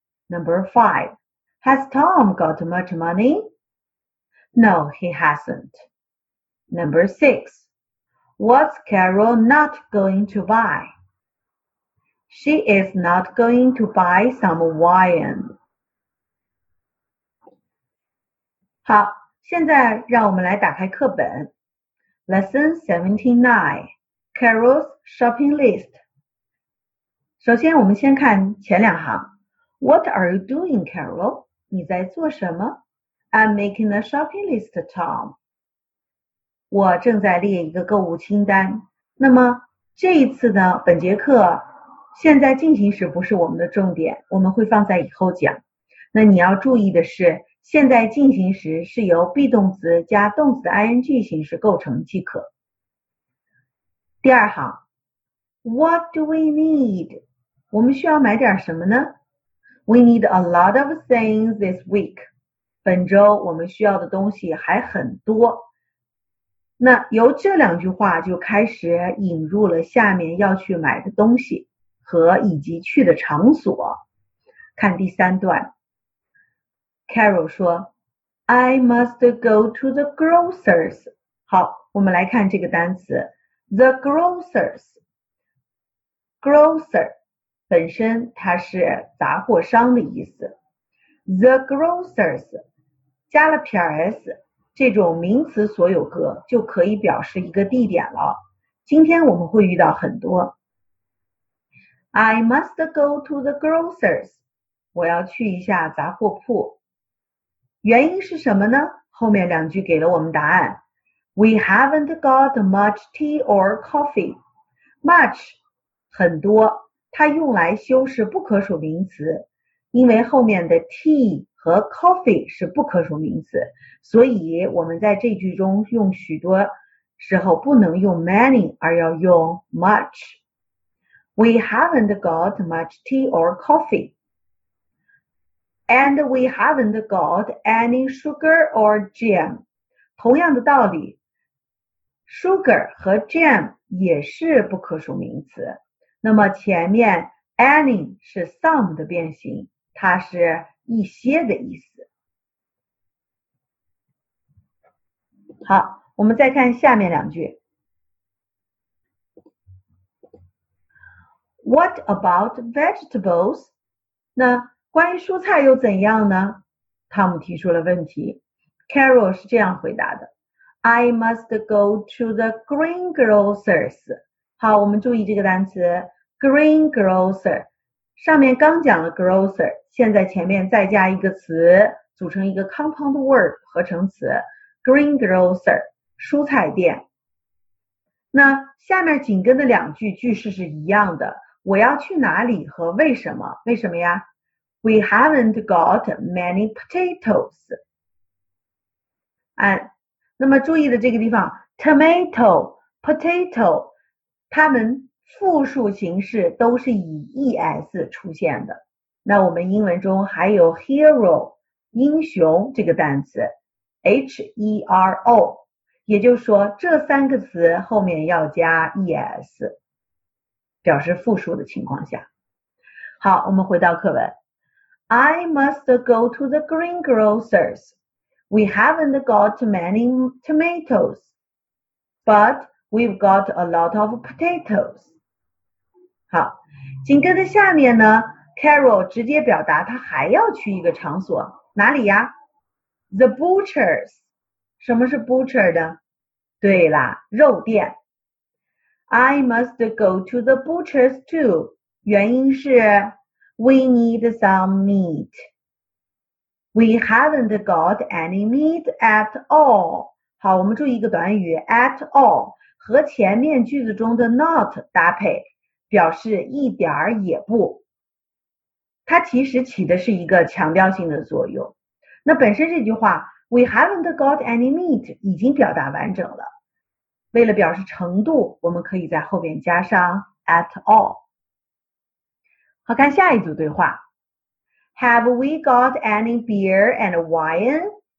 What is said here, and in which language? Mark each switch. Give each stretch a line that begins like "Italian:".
English: Number five, has Tom got much money? No, he hasn't. Number six, what's Carol not going to buy? She is not going to buy some wine.
Chinese: 好，现在让我们来打开课本。
English: Lesson 79, Carol's Shopping List.
Chinese: 首先我们先看前两行。
English: What are you doing, Carol?
Chinese: 你在做什么？
English: I'm making a shopping list, Tom.
Chinese: 我正在列一个购物清单。那么这一次呢，本节课现在进行时不是我们的重点，我们会放在以后讲。那你要注意的是，现在进行时是由 be 动词加动词 ing 形式构成即可。第二行
English: ,What do we need?
Chinese: 我们需要买点什么呢？
English: We need a lot of things this week.
Chinese: 本周我们需要的东西还很多。那由这两句话就开始引入了下面要去买的东西和以及去的场所。看第三段。
English: Carol
Chinese: 说
English: I must go to the grocers.
Chinese: 好，我们来看这个单词
English: The grocers.
Chinese: Grocer 本身它是杂货商的意思。 The grocers 加了撇 s， 这种名词所有格就可以表示一个地点了。今天我们会遇到很多。
English: I must go to the grocers.
Chinese: 我要去一下杂货铺。原因是什么呢？后面两句给了我们答案。
English: We haven't got much tea or coffee.
Chinese: Much 很多，它用来修饰不可数名词，因为后面的 tea 和 coffee 是不可数名词，所以我们在这句中用许多时候不能用 many， 而要用 much。
English: We haven't got much tea or coffee. And we haven't got any sugar or jam.
Chinese: 同样的道理， sugar 和 jam 也是不可数名词。那么前面 any 是 some 的变形，它是一些的意思。好，我们再看下面两句。
English: What about vegetables?
Chinese: 那关于蔬菜又怎样呢？汤姆提出了问题。
English: Carol
Chinese: 是这样回答的
English: ：I must go to the greengrocers。
Chinese: 好，我们注意这个单词 greengrocer。上面刚讲了 grocer， 现在前面再加一个词，组成一个
English: compound word
Chinese: 合成词 greengrocer， 蔬菜店。那下面紧跟的两句句式是一样的，我要去哪里和为什么？为什么呀？ We haven't got many potatoes. 那么注意的这个地方 tomato, potato, 它们复数形式都是以 es 出现的。那我们英文中还有 hero, 英雄这个单词 ,hero, 也就是说这三个词后面要加 es, 表示复数的情况下。好，我们回到课文。
English: I must go to the greengrocers. We haven't got many tomatoes, but we've got a lot of potatoes.
Chinese: 好，紧跟着下面呢 ，Carol 直接表达他还要去一个场所，哪里呀 ？
English: The butchers.
Chinese: 什么是 butcher 的？对啦，肉店。
English: I must go to the butchers too.
Chinese: 原因是。
English: We need some meat. We haven't got any meat at all.
Chinese: 好，我们注意一个短语 at all， 和前面句子中的 not 搭配，表示一点儿也不。它其实起的是一个强调性的作用。那本身这句话
English: we haven't got any meat
Chinese: 已经表达完整了。为了表示程度，我们可以在后面加上 at all。好，看下一组对话。
English: Have we got any beer and wine?